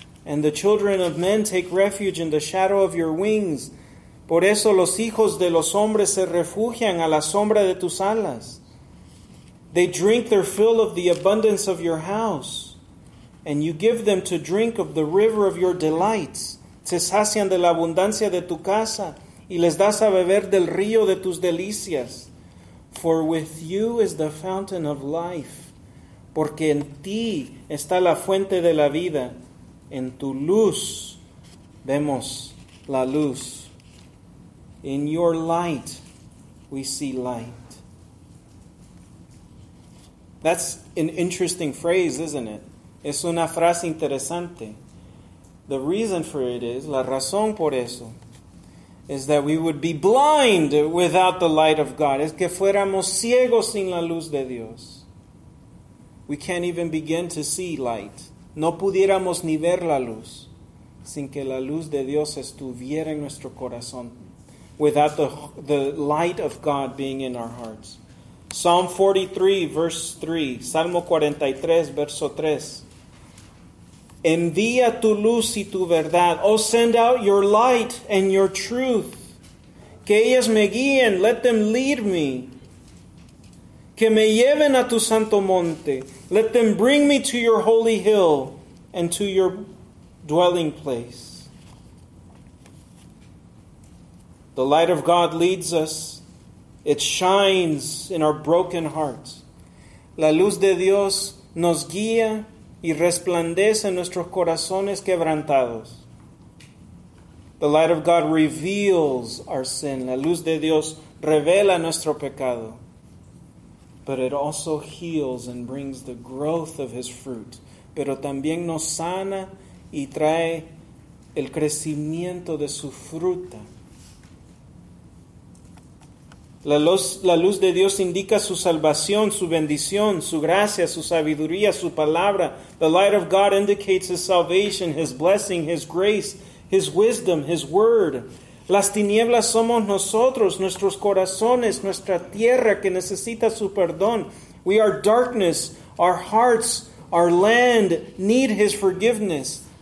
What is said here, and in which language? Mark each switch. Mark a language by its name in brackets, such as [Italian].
[English] And the children of men take refuge in the shadow of your wings. [Spanish] Por eso los hijos de los hombres se refugian a la sombra de tus alas. [English] They drink their fill of the abundance of your house. And you give them to drink of the river of your delights. [Spanish] Se sacian de la abundancia de tu casa. Y les das a beber del río de tus delicias. [English] For with you is the fountain of life. [Spanish] Porque en ti está la fuente de la vida. En tu luz vemos la luz. [English] In your light we see light. That's an interesting phrase, isn't it? [Spanish] Es una frase interesante. [English] The reason for it is, [Spanish] la razón por eso, [English] is that we would be blind without the light of God. [Spanish] Es que fuéramos ciegos sin la luz de Dios. [English] We can't even begin to see light. [Spanish] No pudiéramos ni ver la luz sin que la luz de Dios estuviera en nuestro corazón. [English] Without the light of God being in our hearts. Psalm 43, verse 3. [Spanish] Salmo 43, verso 3. Envía tu luz y tu verdad. [English] Oh, send out your light and your truth. [Spanish] Que ellas me guíen. [English] Let them lead me. [Spanish] Que me lleven a tu santo monte. [English] Let them bring me to your holy hill and to your dwelling place. The light of God leads us. It shines in our broken hearts. [Spanish] La luz de Dios nos guía y resplandece en nuestros corazones quebrantados. [English] The light of God reveals our sin. [Spanish] La luz de Dios revela nuestro pecado. [English] But it also heals and brings the growth of His fruit. [Spanish] Pero también nos sana y trae el crecimiento de su fruta. La luz de Dios indica su salvación, su bendición, su gracia, su sabiduría, su palabra. [English] The light of God indicates His salvation, His blessing, His grace, His wisdom, His word. [Spanish] Las tinieblas somos nosotros, nuestros corazones, nuestra tierra que necesita su perdón. [English] We are darkness, our hearts, our land need His forgiveness.